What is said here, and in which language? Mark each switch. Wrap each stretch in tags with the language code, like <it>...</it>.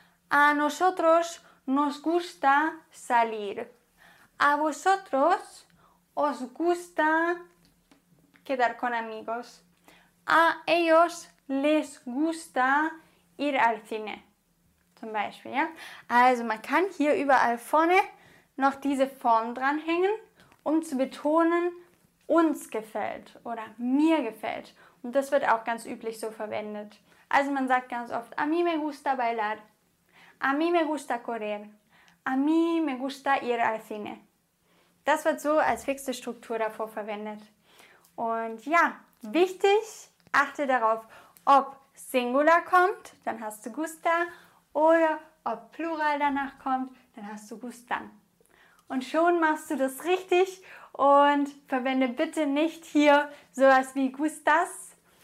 <es>A nosotros nos gusta salir. A vosotros os gusta quedar con amigos. A ellos les gusta ir al cine.</es> <de>zum Beispiel, ja? Also man kann hier überall vorne noch diese Form dranhängen, um zu betonen, uns gefällt oder mir gefällt. Und das wird auch ganz üblich so verwendet. Also man sagt ganz oft,</de> <es>a mí me gusta bailar, a mí me gusta correr, a mí me gusta ir al cine.</es> <de>Das wird so als fixe Struktur davor verwendet. Und ja, wichtig, achte darauf, ob Singular kommt, dann hast du gusta, oder ob Plural danach kommt, dann hast du gustan. Und schon machst du das richtig und verwende bitte nicht hier sowas wie gustas.</de>